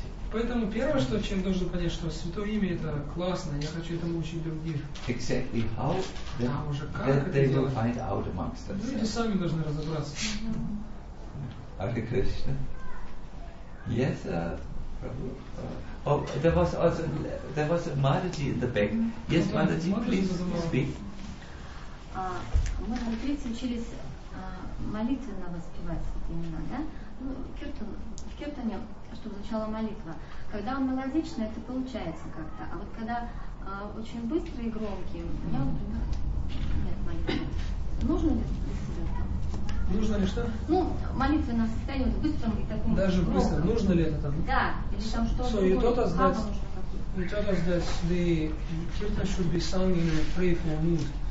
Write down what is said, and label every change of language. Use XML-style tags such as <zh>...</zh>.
<ru>Поэтому первое, что человек должен понять, что Святое Имя — это классно, я хочу этому учить других.</ru> <en>Exactly how?</en> <ru>Да, уже как</ru> <en>they will find out amongst themselves.</en> <ru>Люди сами должны разобраться.</ru> <sa>Hare Krishna.</sa> <en>Yes, there was also Mataji in the back. Yes, Mataji, please speak.</en> <ru>Мы на ретрите учились молитвенно воспевать святые имена, да? Ну, в киртане, чтобы звучала молитва. Когда мелодично, это получается как-то. А вот когда очень быстрый и громкий, у меня, например, нет молитвы. Нужно ли для себя там? Нужно ли что? Ну, молитва на состоянии вот быстром и таком. Даже быстро. Нужно ли это там? Да. Или там что-то другое.</ru> <en>So you taught us that the kirtan should be sung in a prayerful mood.</en>